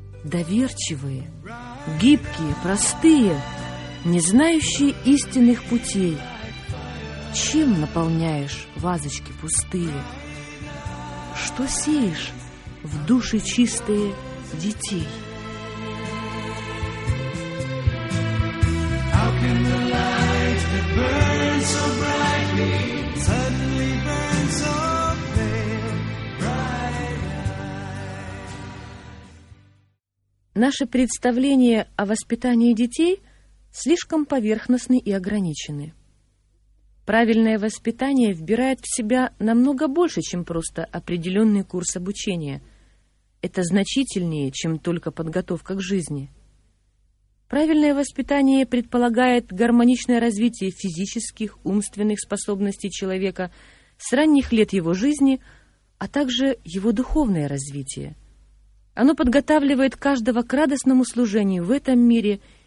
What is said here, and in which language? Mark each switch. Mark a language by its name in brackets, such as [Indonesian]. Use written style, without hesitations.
[Russian] Доверчивые, гибкие, простые, не знающие истинных путей, чем наполняешь вазочки пустые? Что сеешь в души чистые детей? [English] How can the light that burns so brightly suddenly burn so pale, bright? [Russian] Наше представление о воспитании детей слишком поверхностны и ограничены. Правильное воспитание вбирает в себя намного больше, чем просто определенный курс обучения. Это значительнее, чем только подготовка к жизни. Правильное воспитание предполагает гармоничное развитие физических, умственных способностей человека с ранних лет его жизни, а также его духовное развитие. Оно подготавливает каждого к радостному служению в этом мире